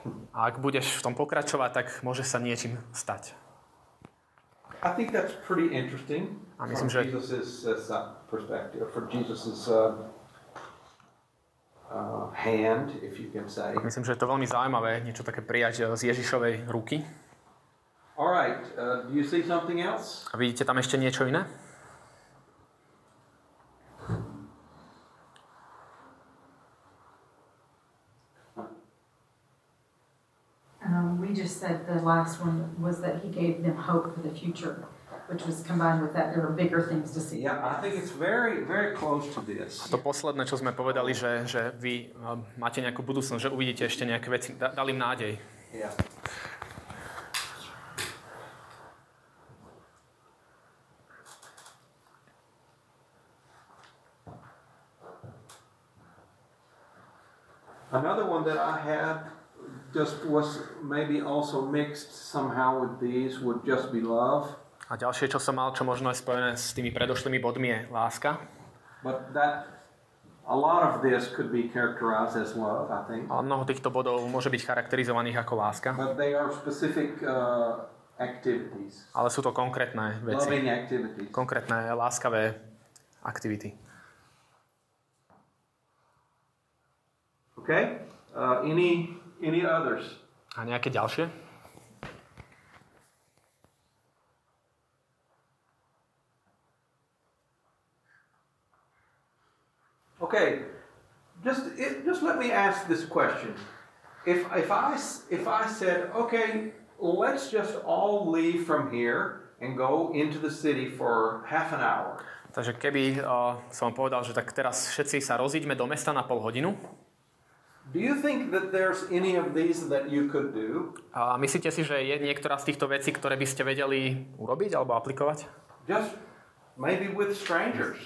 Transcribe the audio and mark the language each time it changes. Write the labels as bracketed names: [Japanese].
[Slovak] A ak budeš v tom pokračovať, tak môže sa niečím stať. [English] I think that's pretty interesting. [Slovak] A myslím, že [English] Jesus's perspective, from Jesus's hand, if you can say. [Slovak] A myslím, že je to veľmi zaujímavé, niečo také prijať z Ježišovej ruky. [English] All right, do you see something else? [Slovak] A vidíte tam ešte niečo iné? [English] We just said the last one was that he gave them hope for the future, which was combined with that there were bigger things to see. Yeah, I think it's very, very close to this. [Slovak] A to posledné, čo sme povedali, že vy máte nejakú budúcnosť, že uvidíte ešte nejaké veci, dali im nádej. [English] Yeah. Another one that I had just was maybe also mixed somehow with these would just be love. [Slovak] A ďalšie, čo som mal, čo možno je spojené s tými predošlými bodmi, je láska. [English] But that a lot of this could be characterized as love, I think. [Slovak] A mnoho týchto bodov môže byť charakterizovaných ako láska. [English] But they are specific activities. [Slovak] Ale sú to konkrétne veci. [English] Loving activities. [Slovak] Konkrétne láskavé aktivity. [English] Okay? Any others? [Slovak] A nejaké ďalšie? [English] Okay. Just let me ask this question. If I said, okay, let's just all leave from here and go into the city for half an hour. [Slovak] Takže keby som vám povedal, že tak teraz všetci sa rozíďme do mesta na pol hodinu. [English] Do you think that there's any of these that you could do? [Slovak] A myslíte si, že je niektorá z týchto vecí, ktoré by ste vedeli urobiť alebo aplikovať? [English] Just maybe with strangers.